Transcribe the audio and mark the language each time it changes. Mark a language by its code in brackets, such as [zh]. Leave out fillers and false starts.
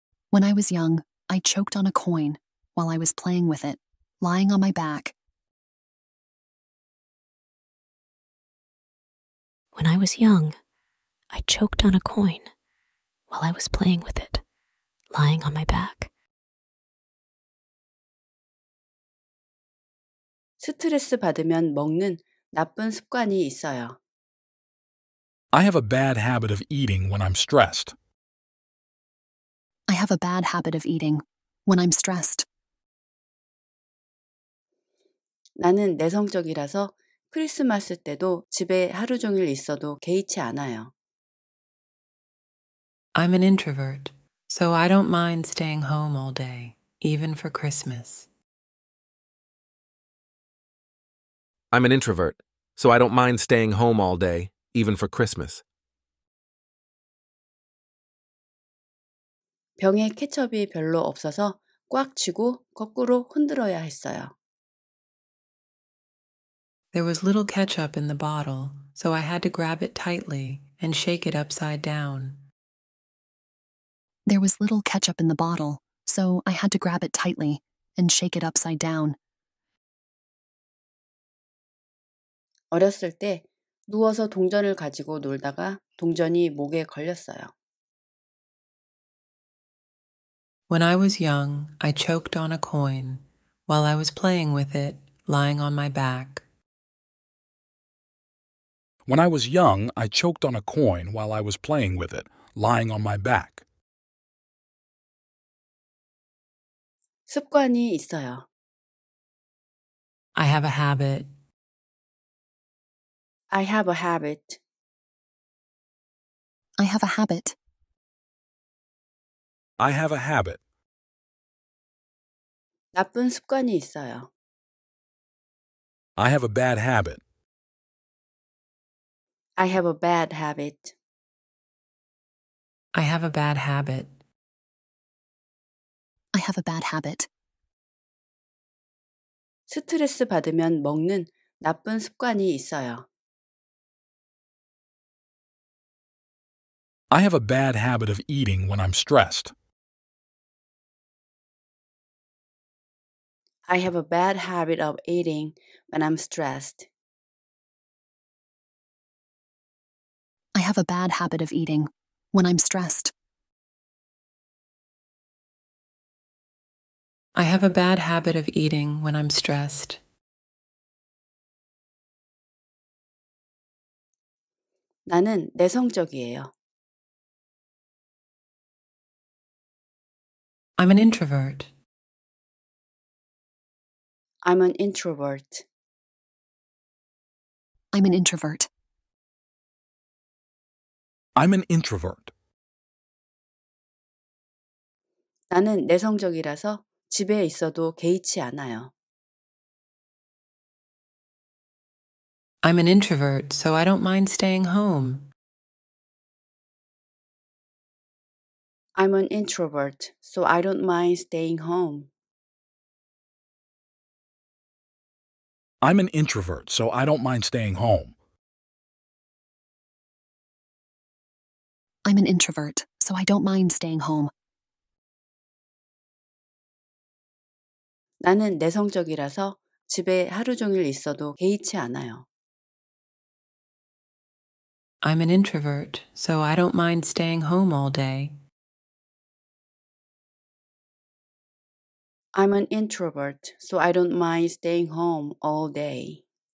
[en] When I was young, I choked on a coin while I was playing with it, lying on my back. When I was young, I choked on a coin while I was playing with it, lying on my back. [ko] 스트레스 받으면 먹는 나쁜 습관이 있어요. [en] I have a bad habit of eating when I'm stressed. I have a bad habit of eating when I'm stressed. [ko] 나는 내성적이라서 크리스마스 때도 집에 하루 종일 있어도 개의치 않아요. [en] I'm an introvert, so I don't mind staying home all day, even for Christmas. I'm an introvert, so I don't mind staying home all day, even for Christmas. [ko] 병에 케첩이 별로 없어서 꽉 쥐고 거꾸로 흔들어야 했어요. [en] There was little ketchup in the bottle, so I had to grab it tightly and shake it upside down. There was little ketchup in the bottle, so I had to grab it tightly and shake it upside down. [ko] 어렸을 때 누워서 동전을 가지고 놀다가 동전이 목에 걸렸어요. [en] When I was young, I choked on a coin while I was playing with it, lying on my back. When I was young, I choked on a coin while I was playing with it, lying on my back. [ko] 습관이 있어요. [en] I have a habit. I have a habit. I have a habit. I have a habit. [ko] 나쁜 습관이 있어요. [en] I have a bad habit. I have a bad habit. I have a bad habit. I have a bad habit. [ko] 스트레스 받으면 먹는 나쁜 습관이 있어요. [en] I have a bad habit of eating when I'm stressed. I have a bad habit of eating when I'm stressed. I have a bad habit of eating when I'm stressed. I have a bad habit of eating when I'm stressed. [ko] 나는 내성적이에요. [en] I'm an introvert. I'm an introvert. I'm an introvert. I'm an introvert. [ko] 나는 내성적이라서 집에 있어도 개의치 않아요. [en] I'm an introvert, so I don't mind staying home. I'm an introvert, so I don't mind staying home. I'm an introvert, so I don't mind staying home. I'm an introvert, so I don't mind staying home. [ko] 나는 내성적이라서 집에 하루 종일 있어도 개의치 않아요. [en] I'm an introvert, so I don't mind staying home all day. I'm an introvert, so I don't mind staying home all day.